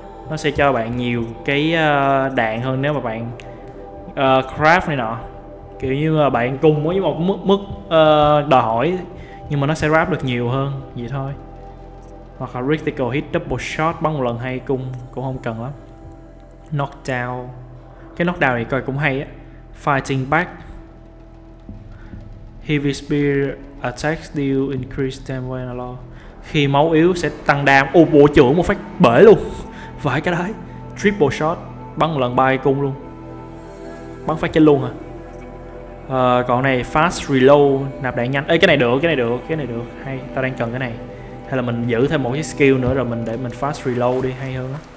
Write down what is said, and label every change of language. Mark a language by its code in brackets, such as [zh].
[vi] Nó sẽ cho bạn nhiều cái đạn hơn nếu mà bạn craft này nọ. Kiểu như là bạn cùng với một mức đòi hỏi nhưng mà nó sẽ craft được nhiều hơn vậy thôi. hoặc là critical hit double shot bắn một lần hay cung cũng không cần lắm. Knockdown, cái knockdown này coi cũng hay á. [en] Fighting back, heavy spear attacks deal increased damage a lot. [vi] Khi máu yếu sẽ tăng đam. Ô bộ trưởng một phát bể luôn. Vãi cái đấy. Triple shot bắn một lần ba cung luôn. Bắn phát chết luôn à. Còn này fast reload nạp đạn nhanh. Ê cái này được, cái này được, cái này được. Hay, tao đang cần cái này. Hay là mình giữ thêm một cái skill nữa rồi mình để mình fast reload đi hay hơn.